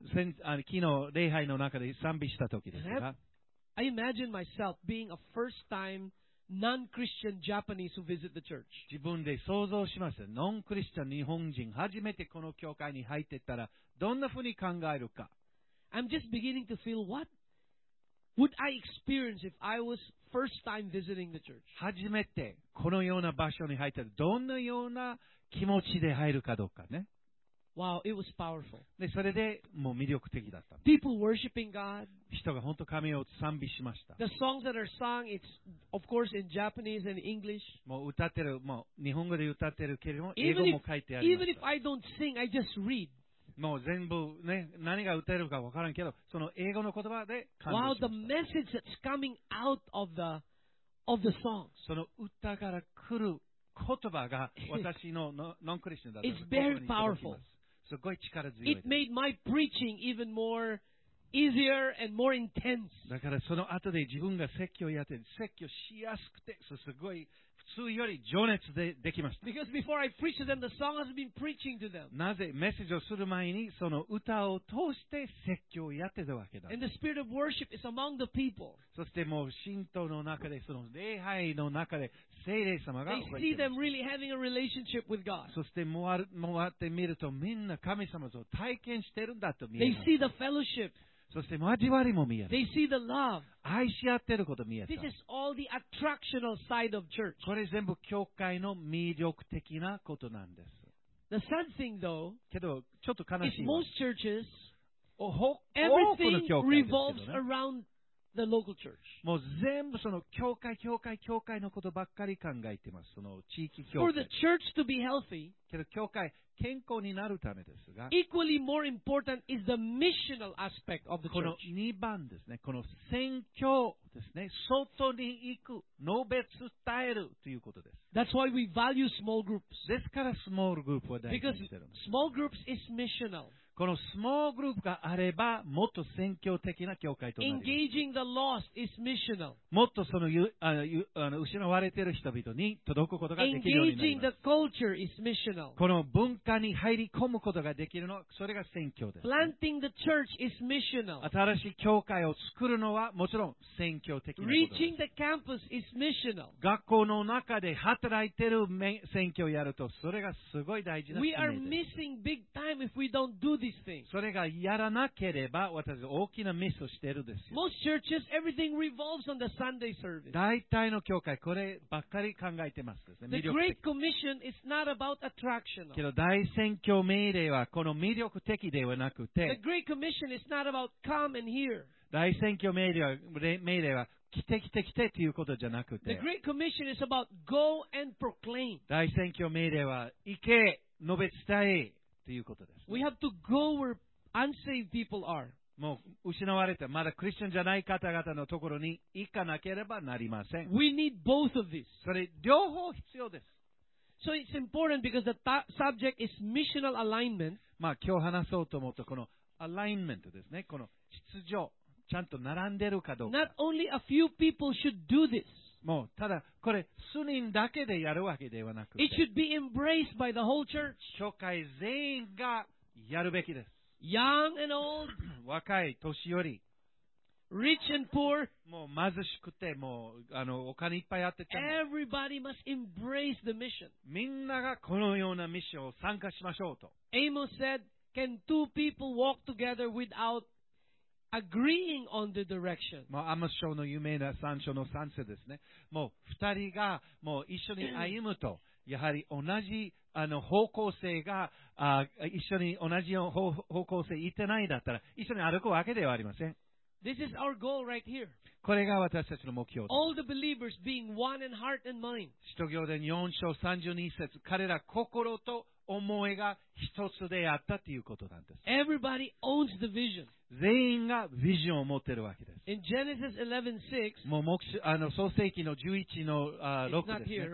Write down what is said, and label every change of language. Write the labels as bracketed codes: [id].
[ja] 昨日礼拝の中で賛美した時ですが、 [en] I imagine myself being a first time. Non-Christian Japanese who visit the church. [ja] 自分で想像しました。ノンクリスチャン日本人初めてこの教会に入ってったらどんなふうに考えるか。 [en] I'm just beginning to feel what would I experience if I was first time visiting the church. [ja] 初めてこのような場所に入ったらどんなような気持ちで入るかどうかね。 [en] Wow, it was powerful. [ja] でそれでもう魅力的だった。 [en] People worshiping God. [ja] 人が本当神を賛美しました。 [en] The songs that are sung, it's of course in Japanese and English. [ja] もう歌ってる、もう日本語で歌ってるけれども英語も書いてあります。 [en] Even if I don't sing, I just read. [ja] もう全部ね、何が打てるか分からんけど、その英語の言葉で感動しました。 [en] Of the songs. [ja] その歌から来る言葉が私のノンクリスチャンだったんです。 [en] It's very powerful. [ja] すごい力強いです。 [en] It made my preaching even more easier and more intense. [ja] だからその後で自分が説教やって、説教しやすくて、すごい普通より情熱でできました。 [en] Because before I preached to them, the song has been preaching to them. [ja] なぜメッセージをする前にその歌を通して説教やってたわけだ。 [en] And the spirit of worship is among the people. [ja] そしてもう信徒の中で、その礼拝の中で聖霊様が。 [en] They see them really having a relationship with God. [ja] そして回ってみるとみんな神様と体験してるんだと見える。 [en] They see the fellowship. [ja] そして交わりも見える。 [en] They see the love. [ja] 愛し合ってること見える。 [en] This is all the attractional side of church. [ja] これ全部教会の魅力的なことなんです。 [en] The sad thing, though, [ja] けどちょっと悲しいわ。 [en] Is most churches, everything revolves around the local church. [ja] もう全部その教会、教会、教会のことばっかり考えてます。その地域教会。 [en] For the church to be healthy, [ja] けど教会健康になるためですが、 [en] equally more important is the missional aspect of the church. [ja] この2番ですね。この宣教ですね。外に行く、述べ伝えるということです。 [en] That's why we value small groups. [ja] ですから、small group は大事にしてるんです。 [en] Because small groups is missional. [ja] このスモールグループがあればもっと宣教的な教会となります。 [en] Engaging the lost is missional. [ja] もっとその失われている人々に届くことができるようになります。 [en] Engaging the culture is missional. [ja] この文化に入り込むことができるの、それが宣教です。 [en] Planting the church is missional. [ja] 新しい教会を作るのはもちろん宣教的なことです。 [en] Reaching the campus is missional. [ja] 学校の中で働いている宣教をやると、それがすごい大事な [en] We are missing big time if we don't do this. [ja] それがやらなければ私大きなミスをしているんですよ。 [en] Most churches, everything revolves on the Sunday service. [ja] 大体の教会こればっかり考えてますですね。 [en] The Great Commission is not about attractional. [ja] けど大宣教命令はこの魅力的ではなくて、 [en] The Great Commission is not about come and hear. [ja] 大宣教命令は来て来て来てということじゃなくて、 [en] The Great Commission is about go and proclaim. [ja] 大宣教命令は行け、述べ伝え。 [en] We have to go where unsaved people are. [ja] もう失われてまだクリスチャンじゃない方々のところに行かなければなりません。 [en] We need both of this. [ja] それ両方必要です。 [en] So it's important because the subject is missional alignment. [ja] まあ今日話そうと思うとこのアラインメントですね。この秩序ちゃんと並んでるかどうか。 [en] Not only a few people should do this. [ja] もうただこれ数人だけでやるわけではなくて [en] It should be embraced by the whole church. [ja] 教会全員がやるべきです。 [en] Young and old, [ja] 若い年寄り、 [en] rich and poor, [ja] もう貧しくてもうお金いっぱいあってても、 [en] everybody must embrace the mission. [ja] みんながこのようなミッションを参加しましょうと。 [en] Amos said, "Can two people walk together without?" Agreeing on the direction. [ja] もうアモス書の有名な三章の三節ですね。もう二人がもう一緒に歩むと、やはり同じ方向性が一緒に同じ方向性行ってないだったら、一緒に歩くわけではありません。 [en] This is our goal right here. [ja] これが私たちの目標です。 [en] All the believers being one in heart and mind. [ja] 使徒行伝4章32節、彼ら心と思いが一つであったということなんです。 [en] Everybody owns the vision. [ja] 全員がビジョンを持っているわけです。 [en] In Genesis 11:6, [ja] もう創世記の11の6ですね。